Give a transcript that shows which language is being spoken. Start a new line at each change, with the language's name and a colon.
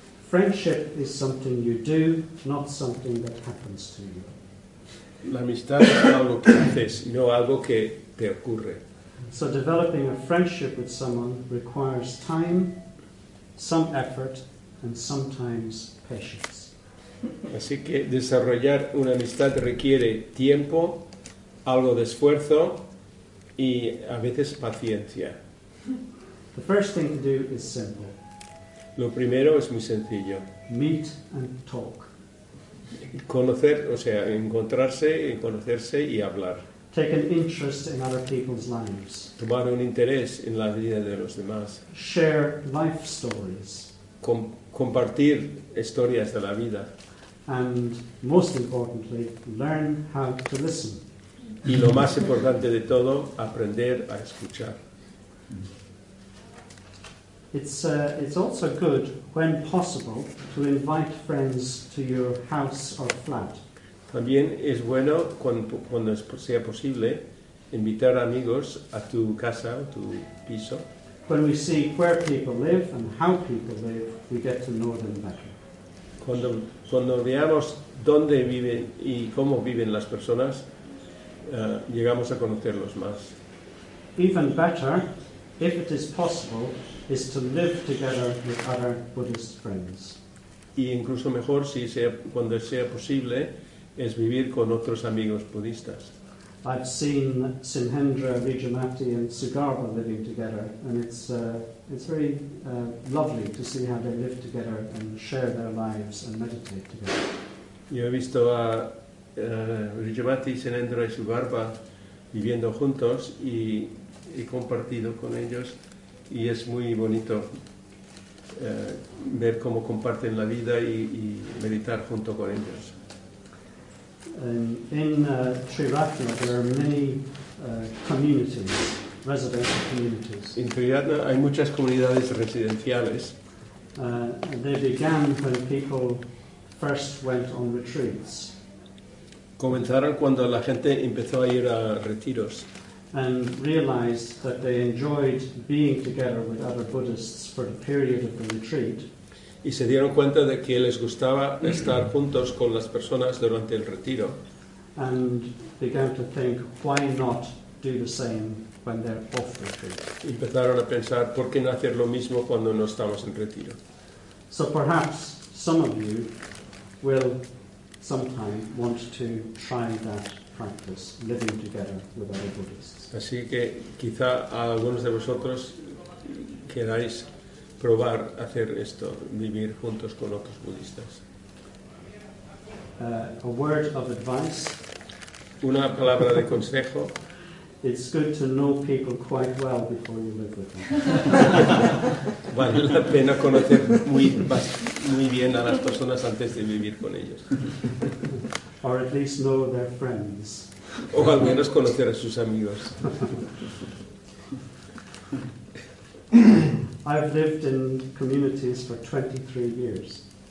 English: Friendship is something you do, not something that happens to you.
Spanish: La amistad es algo que haces, no algo que te ocurre.
English: So developing a friendship with someone requires time, some effort, and sometimes patience.
Spanish: Así que desarrollar una amistad requiere tiempo, algo de esfuerzo y a veces paciencia.
English: The first thing to do is simple.
Spanish: Lo primero es muy sencillo.
English: Meet and talk.
Spanish: Conocer, o sea, encontrarse, conocerse y hablar.
English: Take an interest in other people's lives.
Spanish: Tomar un interés en la vida de los demás.
English: Share life stories.
Spanish: Compartir historias de la vida.
English: And most importantly, learn how to listen.
Spanish: Y lo más importante de todo, aprender a escuchar.
English: It's also good, when possible, to invite friends to your house or flat.
Spanish: También es bueno, cuando sea posible, invitar amigos a tu casa o tu piso.
English: When we see where people live and how people live, we get to know them better.
Spanish: Cuando veamos dónde viven y cómo viven las personas, llegamos a conocerlos más.
English: Even better, if it is possible, is to live together with other Buddhist friends.
Spanish: Y incluso mejor, cuando sea posible, es vivir con otros amigos budistas.
English: I've seen Simhendra, Vijayamati and Sugarbha living together, and it's very lovely to see how they live together and share their lives and meditate together.
Spanish: Yo he visto a Vijayamati, Simhendra y Sugarbha viviendo juntos y he compartido con ellos, y es muy bonito ver cómo comparten la vida y meditar junto con ellos.
English: In Triratna there are many communities, residential communities.
Spanish: En Triratna hay muchas comunidades residenciales.
English: They began when people first went on retreats.
Spanish: Comenzaron cuando la gente empezó a ir a retiros.
English: And realized that they enjoyed being together with other Buddhists for the period of the retreat.
Spanish: Y se dieron cuenta de que les gustaba estar juntos con las personas durante el retiro.
English: And began to think, why not do the same when they're off retreat?
Spanish: Y empezaron a pensar, ¿por qué no hacer lo mismo cuando no estamos en retiro?
English: So perhaps some of you will sometime want to try that practice, living together with other Buddhists.
Spanish: Así que quizá algunos de vosotros queráis probar hacer esto, vivir juntos con otros budistas.
English: A word of advice.
Spanish: Una palabra de consejo.
English: It's good to know people quite well before you live with them.
Spanish: Vale la pena conocer muy bien a las personas antes de vivir con ellos.
English: Or at least know their friends.
Spanish: O al menos conocer a sus amigos.
English: I've lived in communities for 23 years.